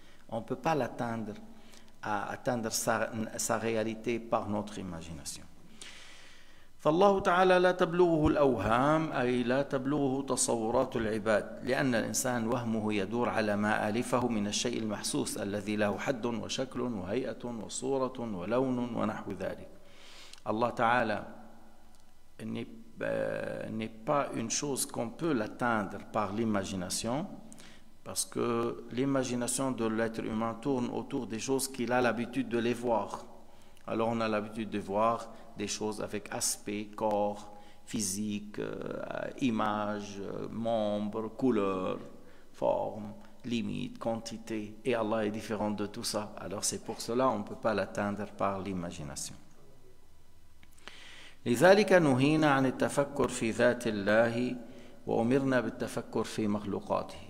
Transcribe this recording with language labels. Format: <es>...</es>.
<fr>On ne peut pas l'atteindre, à atteindre sa réalité par notre imagination.</fr> <ar>فالله تعالى لا تبلغه الأوهام أي لا تبلغه تصورات العباد لأن الإنسان وهمه يدور على ما ألفه من الشيء المحسوس الذي له حد وشكل وهيئة وصورة ولون ونحو ذلك.</ar> <fr>الله تعالى n'est pas une chose qu'on peut l'atteindre par l'imagination parce que l'imagination de l'être humain tourne autour des choses qu'il a l'habitude de les voir. Alors on a l'habitude de voir des choses avec aspect, corps, physique, image, membres, couleurs, formes, limites, quantités. Et Allah est différent de tout ça. Alors c'est pour cela qu'on ne peut pas l'atteindre par l'imagination.</fr> <ar>لذلك نهينا عن التفكر في ذات الله وأمرنا بالتفكر في مخلوقاته.</ar>